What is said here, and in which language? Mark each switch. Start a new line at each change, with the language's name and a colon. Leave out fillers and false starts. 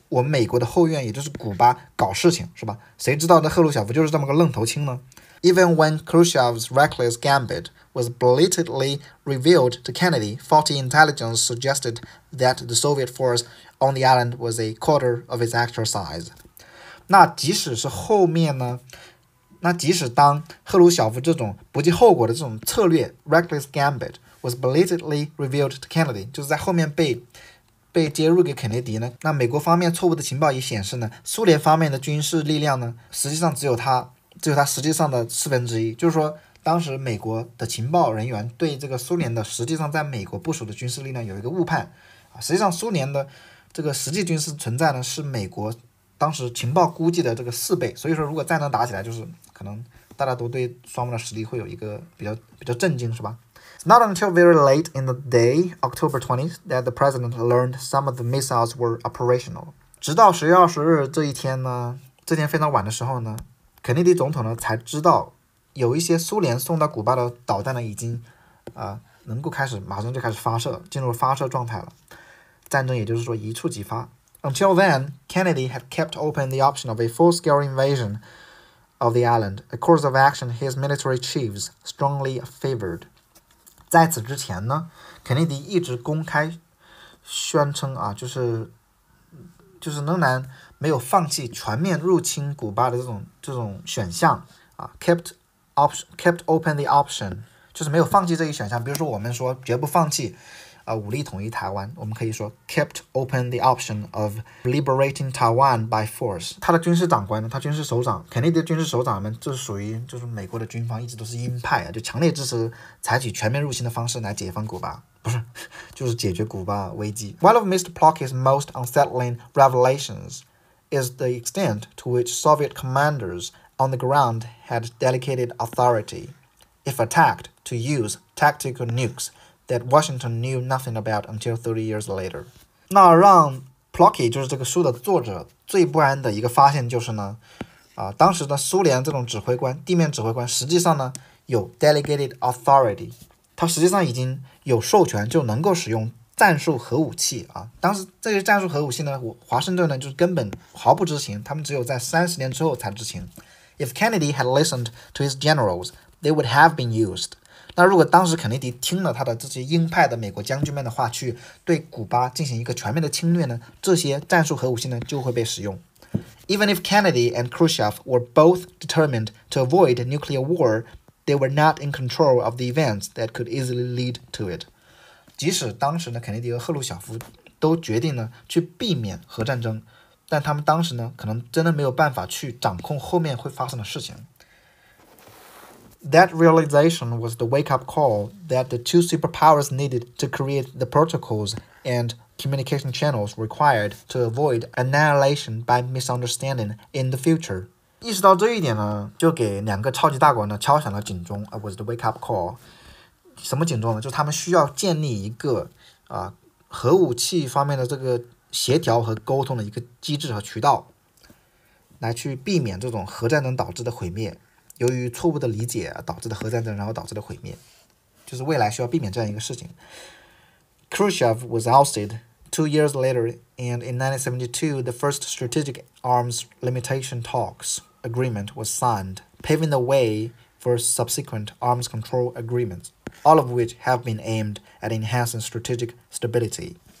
Chinese: 我们美国的后院也就是古巴搞事情是吧，谁知道那赫鲁晓夫就是这么个愣头青呢。
English: Even when Khrushchev's reckless gambit was blatantly revealed to Kennedy, faulty intelligence suggested that the Soviet force on the island was a quarter of its actual size.
Chinese: 那即使是后面呢，那即使当赫鲁晓夫这种不计后果的这种策略
English: reckless gambit was blatantly revealed to Kennedy，
Chinese: 就是在后面被接入给肯尼迪呢，那美国方面错误的情报也显示呢，苏联方面的军事力量呢，实际上只有他实际上的四分之一。就是说，当时美国的情报人员对这个苏联的实际上在美国部署的军事力量有一个误判，实际上苏联的这个实际军事存在呢，是美国当时情报估计的这个四倍。所以说，如果战争打起来，就是可能大家都对双方的实力会有一个比较震惊，是吧？
English: Not until very late in the day, October 20th, that the president learned some of the missiles were operational.
Chinese: 直到十月二十日这一天呢，这天非常晚的时候呢，肯尼迪总统呢才知道有一些苏联送到古巴的导弹呢已经，能够开始马上就开始发射，进入发射状态了。战争也就是说一触即发。
English: Until then, Kennedy had kept open the option of a full-scale invasion of the island, a course of action his military chiefs strongly favored.
Chinese: 在此之前呢，肯尼迪一直公开宣称啊，就是仍然没有放弃全面入侵古巴的这种选项啊 ，
English: kept open the option，
Chinese: 就是没有放弃这一选项。比如说我们说绝不放弃武力统一台湾，我们可以说
English: kept open the option of liberating Taiwan by force。
Chinese: 他的军事长官呢，他军事首长肯尼迪的军事首长们，这是属于就是美国的军方一直都是鹰派啊，就强烈支持采取全面入侵的方式来解放古巴，不是，就是解决古巴危机。
English: One of Mr. Plucky's most unsettling revelations is the extent to which Soviet commanders on the ground had delegated authority, if attacked, to use tactical nukes that Washington knew nothing about until 30 years later.
Chinese: 那让 Plucky 就是这个书的作者最不安的一个发现就是呢，当时的苏联这种指挥官，地面指挥官实际上呢有
English: delegated authority，
Chinese: 他实际上已经有授权就能够使用战术核武器啊！当时这些战术核武器呢，华盛顿呢就根本毫不知情，他们只有在30年之后才知情。
English: If Kennedy had listened to his generals, they would have been used.
Chinese: 那如果当时肯尼迪听了他的这些鹰派的美国将军们的话，去对古巴进行一个全面的侵略呢，这些战术核武器呢就会被使用。
English: Even if Kennedy and Khrushchev were both determined to avoid nuclear warThey were not in control of the events that could easily lead to it.
Chinese: 即使当时呢，肯尼迪和赫鲁晓夫都决定呢去避免核战争，但他们当时呢可能真的没有办法去掌控后面会发生的事情。
English: That realization was the wake-up call that the two superpowers needed to create the protocols and communication channels required to avoid annihilation by misunderstanding in the future.
Chinese: 意识到这一点呢，就给两个超级大国呢敲响了警钟。
English: Was the wake up call？
Chinese: 什么警钟呢？就是他们需要建立一个核武器方面的这个协调和沟通的一个机制和渠道，来去避免这种核战争导致的毁灭，由于错误的理解导致的核战争，然后导致的毁灭，就是未来需要避免这样一个事情。
English: Khrushchev was ousted two years later, and in 1972, the first strategic arms limitation talks. Agreement was signed, paving the way for subsequent arms control agreements, all of which have been aimed at enhancing strategic stability.